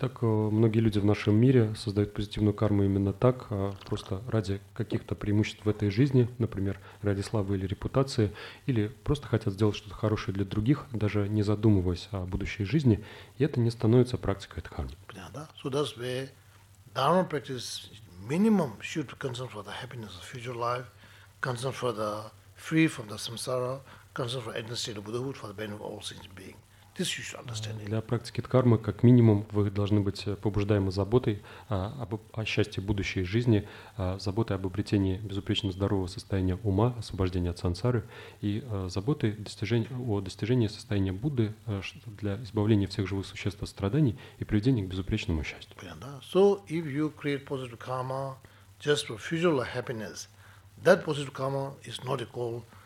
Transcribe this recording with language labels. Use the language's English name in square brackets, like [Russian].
[Russian] Так многие люди в нашем мире создают позитивную карму именно так, просто ради каких-то преимуществ в этой жизни, например, ради славы или репутации, или просто хотят сделать что-то хорошее для других, даже не задумываясь о будущей жизни, и это не становится практикой дхармы. Понятно? [English] So that's where dharma practice minimum should concern for the happiness of future life, concern for the free from the samsara, concern for ending state of Buddhahood for the benefit of all sentient beings. This you should understand. [Russian] Для практики дхармы, как минимум, вы должны быть побуждаемы заботой о счастье будущей жизни, заботой об обретении безупречно здорового состояния ума, освобождения от сансары, и заботой о достижении состояния Будды для избавления всех живых существ от страданий и приведения к безупречному счастью. Понятно? [English] So if you create positive karma just for future happiness, that positive karma is not a goal.